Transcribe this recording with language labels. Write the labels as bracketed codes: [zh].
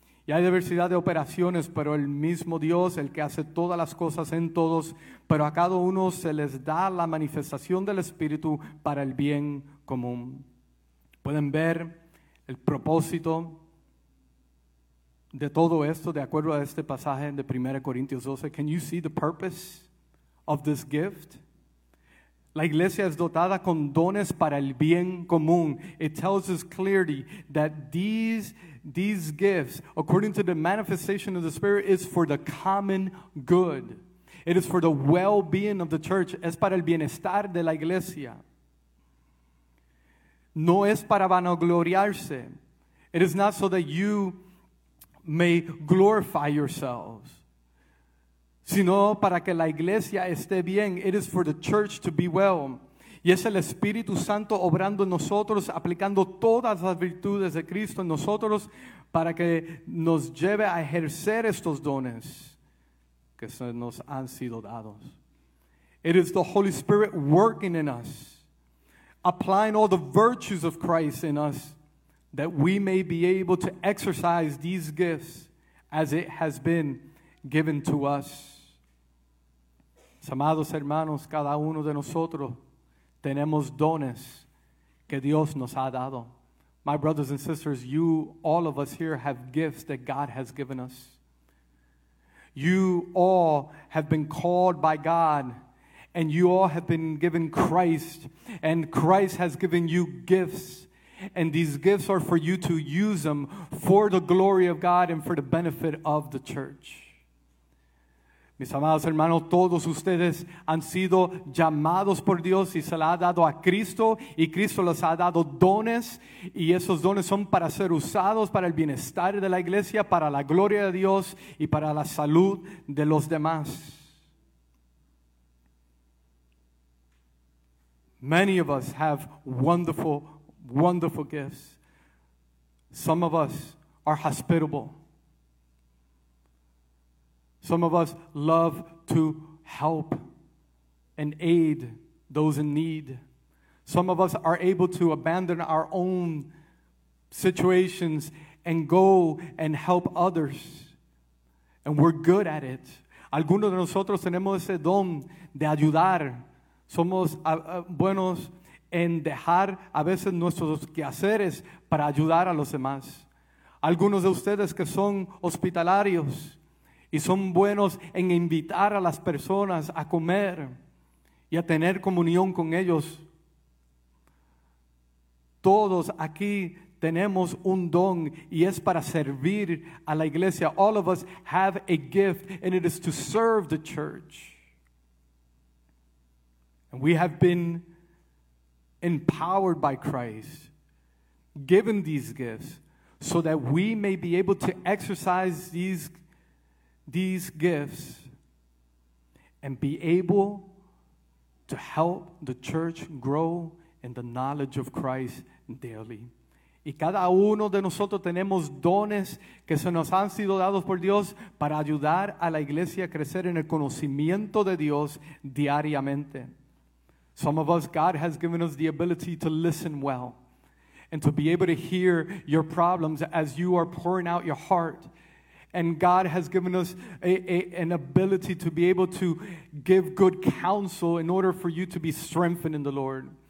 [es] Y hay diversidad de operaciones, pero el mismo Dios, el que hace todas las cosas en todos, pero a cada uno se les da la manifestación del Espíritu para el bien común. Pueden ver el propósito de todo esto, de acuerdo a este pasaje de 1 Corintios 12, [en] can you see the purpose of this gift? [es] La iglesia es dotada con dones para el bien común. [en] It tells us clearly that these gifts, according to the manifestation of the Spirit, is for the common good. It is for the well-being of the church. [es] Es para el bienestar de la iglesia. No es para vanagloriarse. [en] It is not so that you may glorify yourselves, [es] sino para que la iglesia esté bien. [en] It is for the church to be well. [es] Y es el Espíritu Santo obrando en nosotros, aplicando todas las virtudes de Cristo en nosotros para que nos lleve a ejercer estos dones que se nos han sido dados. [en] It is the Holy Spirit working in us, applying all the virtues of Christ in us, that we may be able to exercise these gifts as it has been given to us. [es] Amados hermanos, cada uno de nosotros tenemos dones que Dios nos ha dado. [en] My brothers and sisters, you, all of us here, have gifts that God has given us. You all have been called by God, and you all have been given Christ, and Christ has given you gifts. And these gifts are for you to use them for the glory of God and for the benefit of the church. [es] Mis amados hermanos, todos ustedes han sido llamados por Dios y se les ha dado a Cristo, y Cristo les ha dado dones, y esos dones son para ser usados para el bienestar de la iglesia, para la gloria de Dios y para la salud de los demás. [en] Many of us have wonderful gifts. Some of us are hospitable. Some of us love to help and aid those in need. Some of us are able to abandon our own situations and go and help others. And we're good at it. [es] Algunos de nosotros tenemos ese don de ayudar. Somos buenos en dejar a veces nuestros quehaceres para ayudar a los demás. Algunos de ustedes que son hospitalarios y son buenos en invitar a las personas a comer y a tener comunión con ellos. Todos aquí tenemos un don, y es para servir a la iglesia. [en] All of us have a gift, and it is to serve the church. And we have been empowered by Christ, given these gifts, so that we may be able to exercise these gifts and be able to help the church grow in the knowledge of Christ daily. [es] Y cada uno de nosotros tenemos dones que se nos han sido dados por Dios para ayudar a la iglesia a crecer en el conocimiento de Dios diariamente. [en] Some of us, God has given us the ability to listen well and to be able to hear your problems as you are pouring out your heart. And God has given us an ability to be able to give good counsel in order for you to be strengthened in the Lord.